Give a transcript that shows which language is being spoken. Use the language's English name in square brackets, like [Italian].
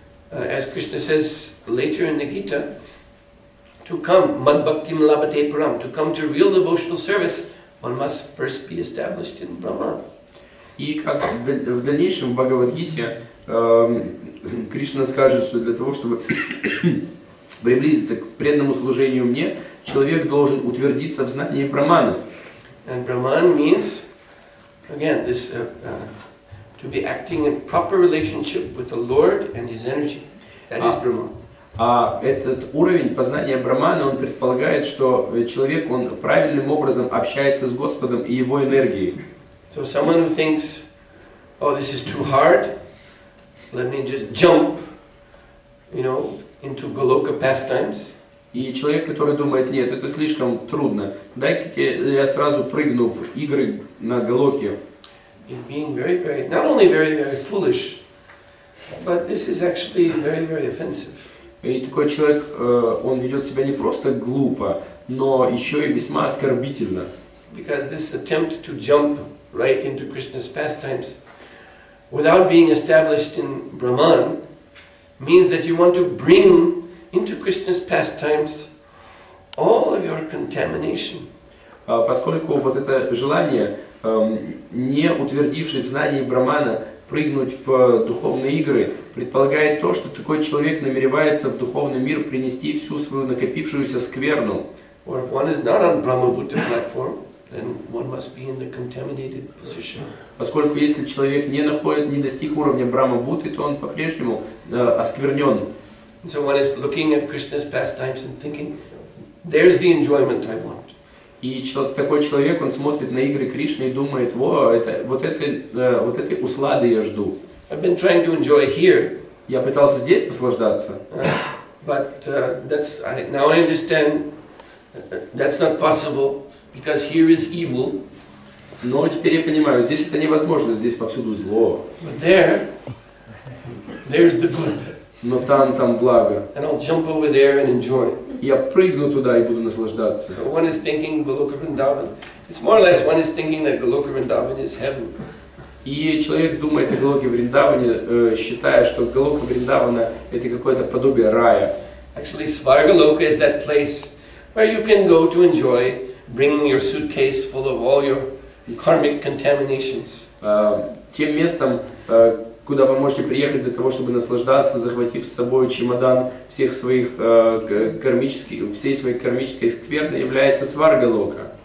[English] As Krishna says later in the Gita, to come, [Sanskrit] mad bhaktim labhate param, [English] to come to real devotional service, one must first be established in Brahman. [Russian] И как в дальнейшем в Бхагавад-гите Кришна скажет, что для того, чтобы приблизиться к преданному служению мне, человек должен утвердиться в знании Брахмана. [English] And Brahman means, again, this to be acting in proper relationship with the Lord and His energy. That is Brahman. [Russian] А этот уровень познания Брахмана, он предполагает, что человек, он правильным образом общается с Господом и Его энергией. [English] So someone who thinks, oh, this is too hard, let me just jump, into Goloka pastimes. [Russian] И человек, который думает, нет, это слишком трудно, дай-ка я сразу прыгну в игры на Голоке. [English] Is being very, very, not only very, very foolish, but this is actually very, very offensive. [Russian] И такой человек, он ведет себя не просто глупо, но еще и весьма оскорбительно. [English] Because this attempt to jump right into Krishna's pastimes without being established in Brahman means that you want to bring into Krishna's pastimes all of your contamination. [Russian] Поскольку вот это желание, не утвердившись в знании Брахмана, прыгнуть в духовные игры, предполагает то, что такой человек намеревается в духовный мир принести всю свою накопившуюся скверну. [English] Or if one is not on Brahma-Buddha platform, then one must be in the contaminated position. [Russian] Поскольку если человек не достиг уровня Брахма-Будды, то он по-прежнему осквернен. [English] So one is looking at Krishna's pastimes and thinking, there's the enjoyment I want. [Russian] И такой человек, он смотрит на игры Кришны и думает, во, это, вот этой услады я жду. [English] I've been trying to enjoy here. [Russian] Я пытался здесь наслаждаться. [English] Now I understand that's not possible, because here is evil. [Russian] Но теперь я понимаю, здесь это невозможно, здесь повсюду зло. [English] But there, there's the good. [Russian] Но там, там благо. [English] And I'll jump over there and enjoy it. [Russian] Я прыгну туда и буду наслаждаться. [English] So one is thinking Goloka Vrindavan. It's more or less one is thinking that Goloka Vrindavan is heaven. [Russian] И человек думает о Голоке Вриндаване, считая, что Голока Вриндавана это какое-то подобие рая. [English] Actually, Svargaloka is that place where you can go to enjoy bringing your suitcase full of all your karmic contaminations. [Russian] Тем местом, куда вы можете приехать для того, чтобы наслаждаться, захватив с собой чемодан всех своих кармических, всей своей кармической скверны, является Сваргалока.